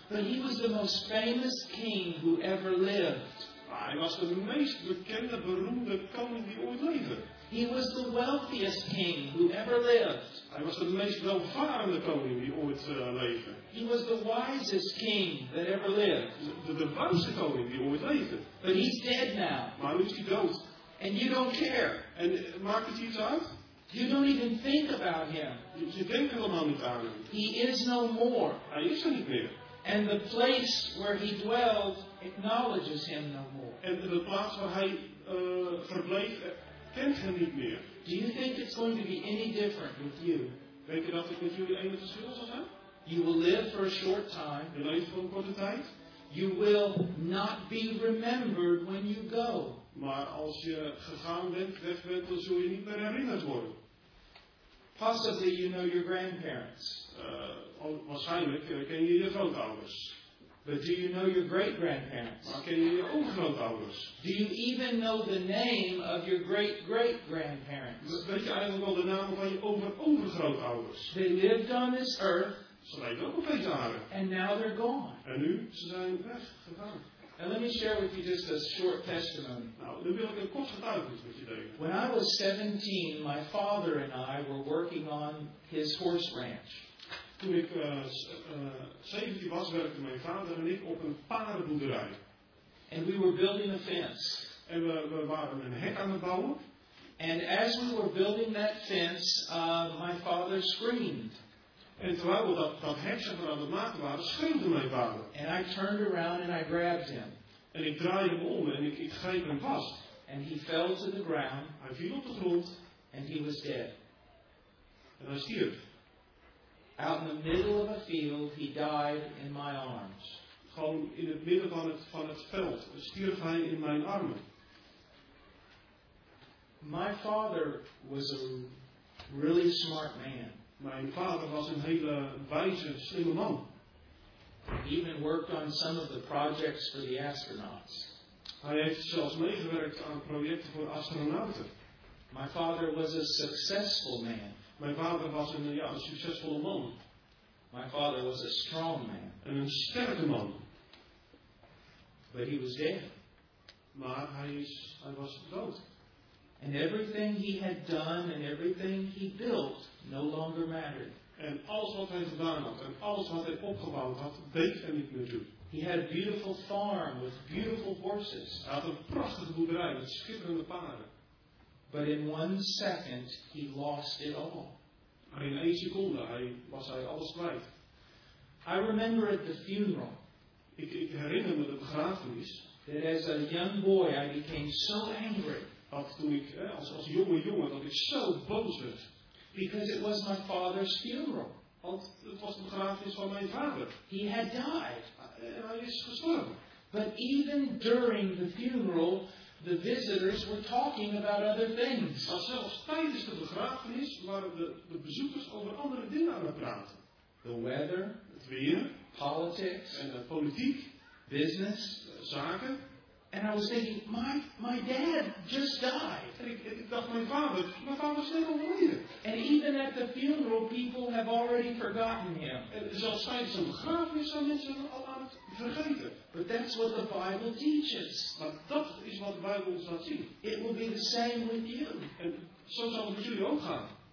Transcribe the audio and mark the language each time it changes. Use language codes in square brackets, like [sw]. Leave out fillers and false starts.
[en] But he was the most famous king who ever lived. [nl] Maar hij was de meest bekende, beroemde koning die ooit leefde. [en] He was the wealthiest king who ever lived. [nl] Hij was de meest welvarende koning die ooit leefde. [en] He was the wisest king that ever lived. [nl] De wijste koning die ooit leefde. [en] But he's dead now. [nl] Maar nu is hij dood. [en] And you don't care. [nl] En maakt het iets uit? [en] You don't even think about him. [nl] Je denkt helemaal niet aan hem. [en] He is no more. [nl] Hij is er niet meer. [en] And the place where he dwelled acknowledges him no more. [nl] En de plaats waar hij verbleef kent hem niet meer. [en] Do you think it's going to be any different with you? [nl] Denk je dat het met jullie enige verschil zal zijn? [en] You will live for a short time. [nl] Je leeft voor een korte tijd. [en] You will not be remembered when you go. [nl] Maar als je gegaan bent, weg bent, dan zul je niet meer herinnerd worden. [en] Possibly you know your grandparents. [nl] waarschijnlijk ken je je grootouders. [en] But do you know your great-grandparents? [nl] Maar ken je je overgrootouders? [en] Do you even know the name of your great-great-grandparents? [nl] Weet je eigenlijk wel de naam van je overgrootouders? [en] They lived on this earth. [nl] Ze leefden ook op deze aarde. [en] And now they're gone. [nl] En nu, ze zijn weggegaan. [en] And let me share with you just a short testimony. [nl] Nou, nu wil ik een kort getuigenis met je delen. [en] When I was 17, my father and I were working on his horse ranch. [nl] Toen ik 17 was, werkte mijn vader en ik op een paardenboerderij. [en] And we were building a fence. [nl] En we waren een hek aan het bouwen. [en] And as we were building that fence, my father screamed. [nl] En terwijl we dat hek zeg maar aan het maken waren, schreeuwde mijn vader. [en] And I turned around and I grabbed him. [nl] En ik draaide hem om en ik greep hem vast. [en] And he fell to the ground. [nl] Hij viel op de grond. [en] And he was dead. [nl] En hij stierf. [en] Out in the middle of a field, he died in my arms. [nl] Gewoon in het midden van het veld stierf hij in mijn armen. [en] My father was a really smart man. [nl] Mijn vader was een hele wijze, slimme man. [en] He even worked on some of the projects for the astronauts. [nl] Hij heeft zelfs meegewerkt aan projecten voor astronauten. [en] My father was a successful man. [nl] Mijn vader was een succesvolle man. [en] My father was a strong man. [nl] En een sterke man. [en] But he was dead. [nl] Maar hij was dood. [en] And everything he had done and everything he built no longer mattered. [nl] En alles wat hij gedaan had en alles wat hij opgebouwd had, deed hij niet meer doen. [en] He had a beautiful farm with beautiful horses. [nl] Hij had een prachtige boerderij met schitterende paarden. [en] But in one second he lost it all. [nl] Maar in één seconde was hij alles kwijt. [en] I remember at the funeral. [nl] Ik herinner me de begrafenis. [en] That as a young boy I became so angry. [nl] Dat toen ik als jongen dat ik zo boos werd. [en] Because it was my father's funeral. [nl] Want het was de begrafenis van mijn vader. [en] He had died. [nl] Hij is gestorven. [en] But even during the funeral, the visitors were talking about other things. [nl] Maar zelfs tijdens de begrafenis waren de bezoekers over andere dingen aan het praten. [en] The weather. [nl] Het weer. [en] Politics. [nl] En de politiek. [en] Business. [nl] Zaken. [en] And I was thinking, my dad just died. [nl] En ik dacht, mijn vader is net overleden. [en] And even at the funeral, people have already forgotten him. [nl] En zelfs tijdens een begrafenis zijn mensen al aan het vergeten. [en] But that's what the Bible teaches. [nl] Maar dat is wat de Bijbel ons laat zien. [en] It will be the same with you. [nl] En zo zal het met jullie ook gaan.